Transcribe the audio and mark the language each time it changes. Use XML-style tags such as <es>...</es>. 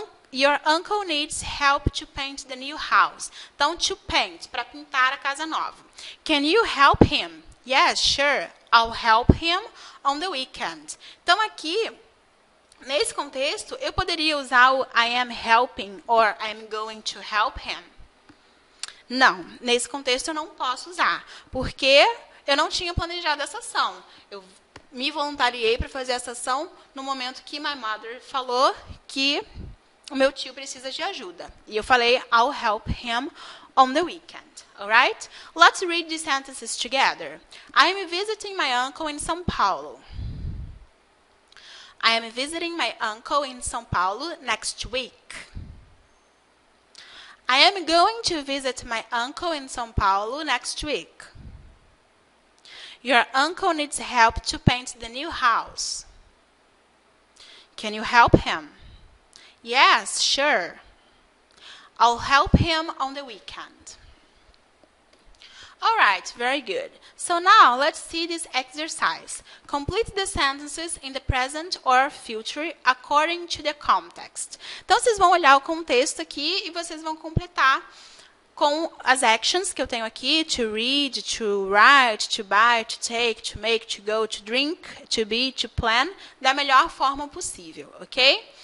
<en>Your uncle needs help to paint the new house.</en> <pt>Então,</pt> <en>to paint,</en> <pt>para pintar a casa nova.</pt> <en>Can you help him? Yes, sure. I'll help him on the weekend.</en> <pt>Então aqui, nesse contexto, eu poderia usar o</pt> <en>I am helping or I'm going to help him.</en> <pt>Não, nesse contexto eu não posso usar, porque eu não tinha planejado essa ação. Eu me voluntariei para fazer essa ação no momento que</pt> <en>my mother</en> <pt>falou que o meu tio precisa de ajuda. E eu falei,</pt> <en>I'll help him on the weekend. All right? Let's read these sentences together. I'm visiting my uncle in São Paulo. I am visiting my uncle in São Paulo next week. I am going to visit my uncle in São Paulo next week. Your uncle needs help to paint the new house. Can you help him? Yes, sure. I'll help him on the weekend. All right, very good. So now let's see this exercise. Complete the sentences in the present or future according to the context.</en> <pt>Então vocês vão olhar o contexto aqui e vocês vão completar com as actions que eu tenho aqui:</pt> <en>to read, to write, to buy, to take, to make, to go, to drink, to be, to plan,</en> <pt>da melhor forma possível, ok?</pt>